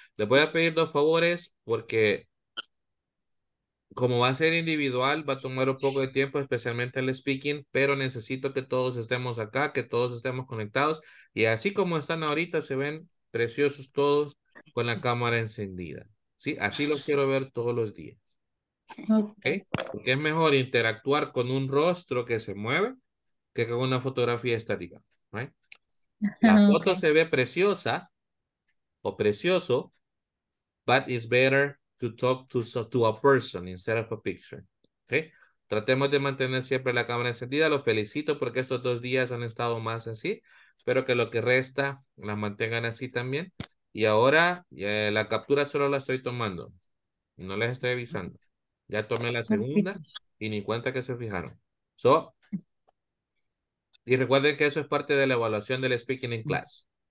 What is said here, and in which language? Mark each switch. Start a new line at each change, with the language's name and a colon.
Spanish: Les voy a pedir 2 favores porque como va a ser individual, va a tomar un poco de tiempo, especialmente el speaking, pero necesito que todos estemos acá, que todos estemos conectados. Y así como están ahorita, se ven preciosos todos. Con la cámara encendida. Sí, así lo quiero ver todos los días.
English: Okay.
Spanish: Porque es mejor interactuar con un rostro que se mueve que con una fotografía estática.
English: Right?
Spanish: La foto okay. Se ve preciosa o precioso,
English: but it's better to talk to a person instead of a picture.
Spanish: Okay? Tratemos de mantener siempre la cámara encendida. Los felicito porque estos 2 días han estado más así. Espero que lo que resta la mantengan así también. Y ahora la captura solo la estoy tomando. No les estoy avisando. Ya tomé la segunda y ni cuenta que se fijaron. So, y recuerden que eso es parte de la evaluación del
English: speaking in class.